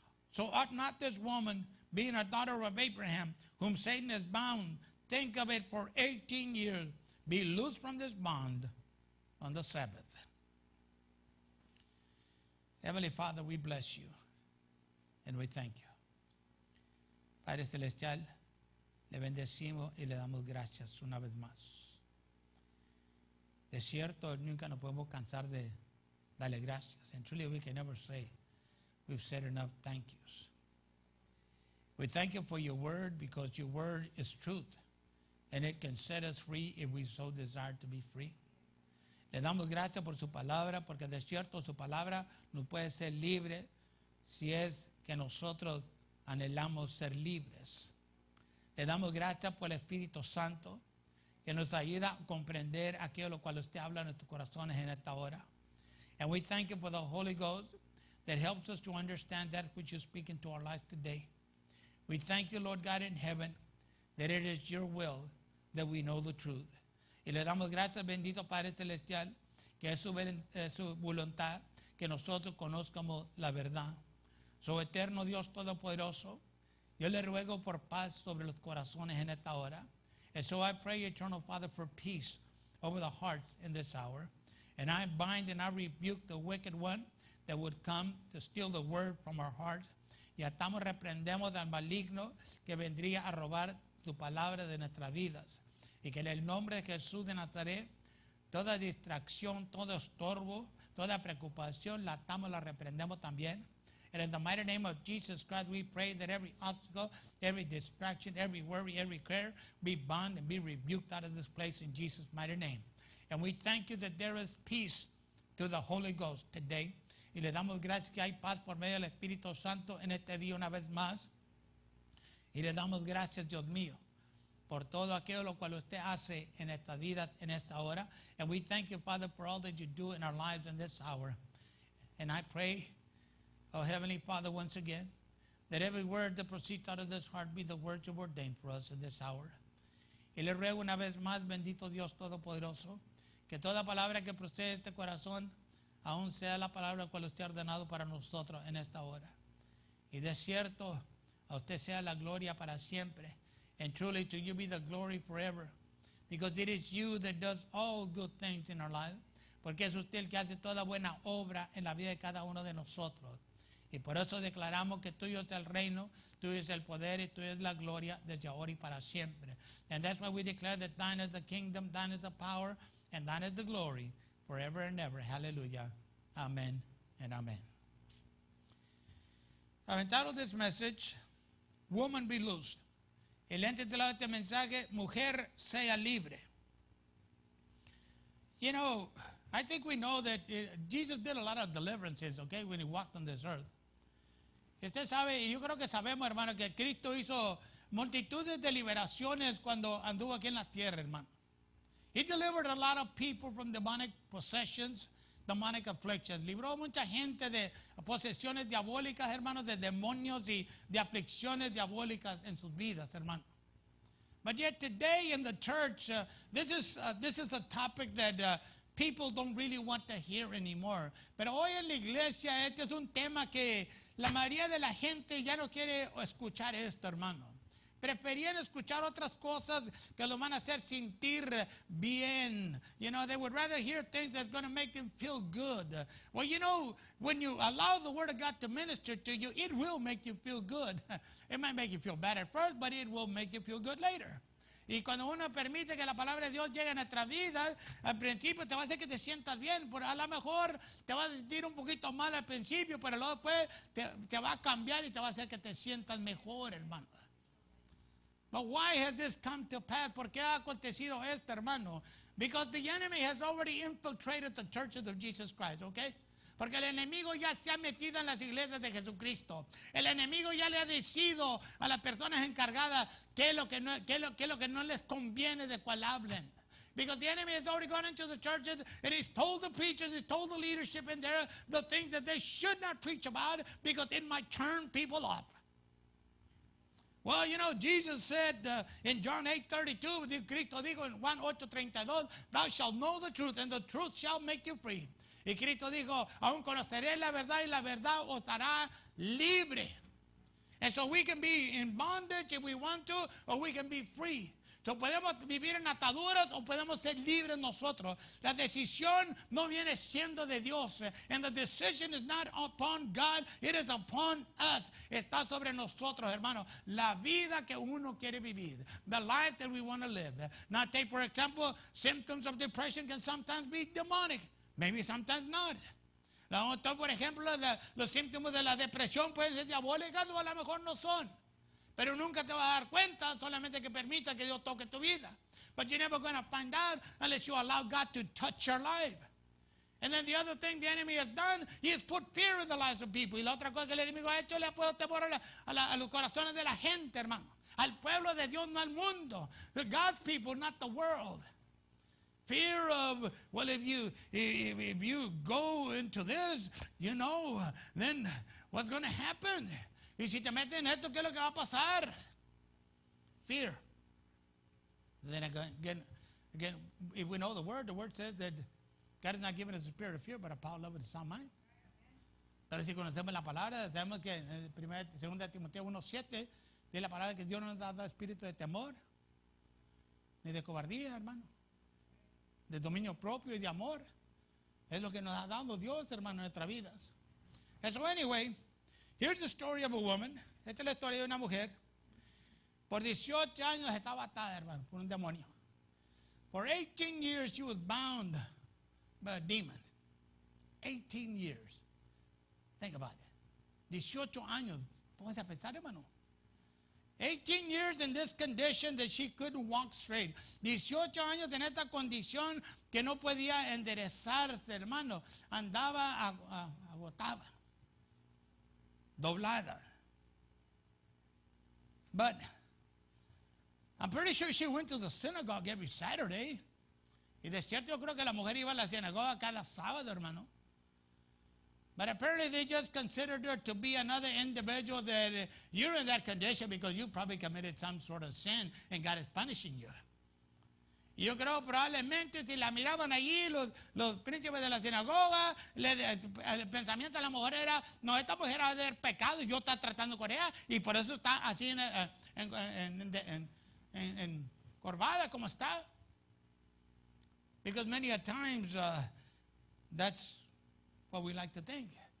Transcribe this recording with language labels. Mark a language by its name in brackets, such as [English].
[English] So ought not this woman, being a daughter of Abraham, whom Satan has bound, think of it for 18 years, be loosed from this bond on the Sabbath? Heavenly Father, we bless you and we thank you. [Spanish] Padre Celestial, le bendecimos y le damos gracias una vez más. De cierto, nunca nos podemos cansar de darle gracias. [English] And truly we can never say we've said enough thank yous. We thank you for your word because your word is truth. And it can set us free if we so desire to be free. [Spanish] Le damos gracias por su palabra porque de cierto su palabra nos puede ser libre si es que nosotros anhelamos ser libres. Le damos gracias por el Espíritu Santo que nos ayuda a comprender aquello lo cual usted habla en nuestros corazones en esta hora. [English] And we thank you for the Holy Ghost that helps us to understand that which you speak into our lives today. We thank you, Lord God in heaven, that it is your will that we know the truth. [Spanish] Y le damos gracias, bendito Padre Celestial, que es su voluntad que nosotros conozcamos la verdad. So eterno Dios Todopoderoso, yo le ruego por paz sobre los corazones en esta hora. [English] And so I pray, eternal Father, for peace over the hearts in this hour. And I bind and I rebuke the wicked one that would come to steal the word from our hearts. [Spanish] Y atamos, reprendemos al maligno que vendría a robar tu palabra de nuestras vidas. Y que en el nombre de Jesús de Nazaret, toda distracción, todo estorbo, toda preocupación, la atamos, la reprendemos también. [English] And in the mighty name of Jesus Christ, we pray that every obstacle, every distraction, every worry, every care be bound and be rebuked out of this place in Jesus' mighty name. And we thank you that there is peace through the Holy Ghost today. [Spanish] Y le damos gracias que hay paz por medio del Espíritu Santo en este día una vez más. Y le damos gracias, Dios mío, por todo aquello lo cual usted hace en estas vidas, en esta hora. [English] And we thank you, Father, for all that you do in our lives in this hour. And I pray, oh Heavenly Father, once again, that every word that proceeds out of this heart be the word you've ordained for us in this hour. [Spanish] Y le ruego una vez más, bendito Dios Todopoderoso, que toda palabra que procede de este corazón aún sea la palabra cual usted ha ordenado para nosotros en esta hora. Y de cierto, a usted sea la gloria para siempre. [English] And truly to you be the glory forever. Because it is you that does all good things in our life. [Spanish] Porque es usted el que hace toda buena obra en la vida de cada uno de nosotros. Y por eso declaramos que tuyo es el reino, tuyo es el poder y tuyo es la gloria desde ahora y para siempre. [English] And that's why we declare that thine is the kingdom, thine is the power, and thine is the glory forever and ever. Hallelujah. Amen and amen. I've entitled this message, Woman Be Loosed. [Spanish] El lente de este mensaje, Mujer Sea Libre. [English] You know, I think we know that Jesus did a lot of deliverances, okay, when he walked on this earth. [Spanish] Usted sabe, y yo creo que sabemos, hermano, que Cristo hizo multitudes de liberaciones cuando anduvo aquí en la tierra, hermano. [English] He delivered a lot of people from demonic possessions, demonic afflictions. [Spanish] Libró mucha gente de posesiones diabólicas, hermano, de demonios y de aflicciones diabólicas en sus vidas, hermano. [English] But yet today in the church, this is a topic that people don't really want to hear anymore. [Spanish] Pero hoy en la iglesia, este es un tema que la mayoría de la gente ya no quiere escuchar esto, hermano. Preferían escuchar otras cosas que lo van a hacer sentir bien. [English] You know, they would rather hear things that's going to make them feel good. Well, you know, when you allow the Word of God to minister to you, it will make you feel good. It might make you feel bad at first, but it will make you feel good later. [Spanish] Y cuando uno permite que la palabra de Dios llegue a nuestra vida, al principio te va a hacer que te sientas bien, pero a lo mejor te va a sentir un poquito mal al principio, pero luego después te va a cambiar y te va a hacer que te sientas mejor, hermano. [English] But why has this come to pass? [Spanish] ¿Por qué ha acontecido esto, hermano? [English] Because the enemy has already infiltrated the churches of Jesus Christ, okay? [Spanish] Porque el enemigo ya se ha metido en las iglesias de Jesucristo. El enemigo ya le ha decido a las personas encargadas qué es lo que no les conviene de cual hablen. [English] Because the enemy has already gone into the churches and he's told the preachers, he's told the leadership in there the things that they should not preach about because it might turn people off. Well, you know, Jesus said in John 8:32, [Spanish] Cristo dijo en Juan 8:32, [English] thou shalt know the truth and the truth shall make you free. [Spanish] Y Cristo dijo, aún conoceré la verdad y la verdad os hará libre. [English] And so we can be in bondage if we want to, or we can be free. [Spanish] So podemos vivir en ataduras o podemos ser libres nosotros. La decisión no viene siendo de Dios. [English] And the decision is not upon God, it is upon us. [Spanish] Está sobre nosotros, hermano. La vida que uno quiere vivir. [English] The life that we want to live. Now take, for example, symptoms of depression can sometimes be demonic. Maybe sometimes not. [Spanish] Por ejemplo, los síntomas de la depresión pueden ser diabólicos o a lo mejor no son. Pero nunca te vas a dar cuenta, solamente que permita que Dios toque tu vida. [English] But you're never going to find out unless you allow God to touch your life. And then the other thing the enemy has done, he has put fear in the lives of people. [Spanish] Y la otra cosa que el enemigo ha hecho, le ha puesto temor a los corazones de la gente, hermano. Al pueblo de Dios, no al mundo. [English] The God's people, not the world. Fear of, well, if you go into this, you know, then what's going to happen? [Spanish] Y si te metes en esto, ¿qué es lo que va a pasar? [English] Fear. Then again, if we know the word says that God has not given us a spirit of fear, but a power of love and a sound mind. [Spanish] Pero si conocemos la palabra, sabemos que en 2 Timoteo 1:7, dice la palabra que Dios no nos ha dado espíritu de temor, ni de cobardía, hermano. De dominio propio y de amor. Es lo que nos ha dado Dios, hermano, en nuestras vidas. [English] So anyway, here's the story of a woman. [Spanish] Esta es la historia de una mujer. Por 18 años estaba atada, hermano, por un demonio. [English] For 18 years she was bound by a demon. 18 years. Think about it. [Spanish] 18 años. Póngase a pensar, hermano. [English] 18 years in this condition that she couldn't walk straight. [Spanish] 18 años en esta condición que no podía enderezarse, hermano. Andaba agotada, doblada. [English] But I'm pretty sure she went to the synagogue every Saturday. [Spanish] Y de cierto yo creo que la mujer iba a la sinagoga cada sábado, hermano. [English] But apparently they just considered her to be another individual that you're in that condition because you probably committed some sort of sin and God is punishing you. [Spanish] Yo creo probablemente si la miraban allí los príncipes de la sinagoga, el pensamiento de la mujer era, no, esta mujer va a haber pecado y yo está tratando con ella y por eso está así en corbada como está. [English] Because many a times that's what we like to think.